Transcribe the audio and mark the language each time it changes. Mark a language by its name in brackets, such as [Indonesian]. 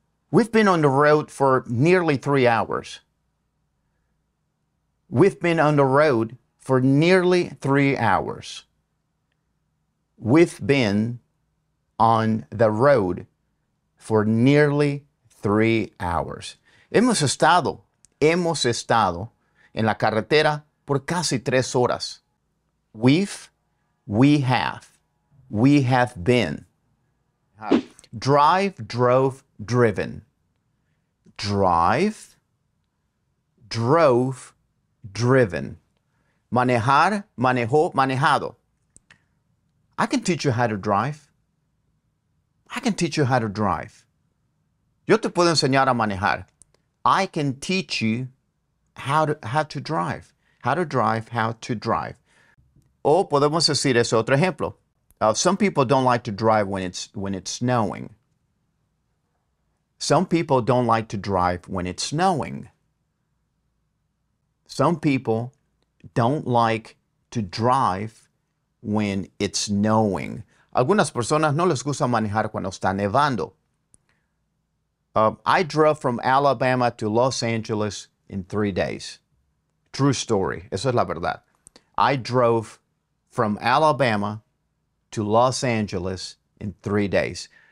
[English] We've been on the road for nearly 3 hours. We've been on the road for nearly 3 hours. We've been on the road for nearly 3 hours. [Spanish] Hemos estado en la carretera por casi 3 horas. [English] We have been. Drive, drove, driven. Drive, drove, driven. [Spanish] Manejar, manejó, manejado. [English] I can teach you how to drive. I can teach you how to drive. [Spanish] Yo te puedo enseñar a manejar. [English] I can teach you how to drive. How to drive, how to drive. [Spanish] O podemos decir ese otro ejemplo. [English] Some people don't like to drive when it's snowing. Some people don't like to drive when it's snowing. Some people don't like to drive when it's snowing. [Spanish] Algunas personas no les gusta manejar cuando está nevando. [English] I drove from Alabama to Los Angeles in 3 days. True story. [Spanish] Eso es la verdad. [English] I drove from Alabama to Los Angeles in 3 days.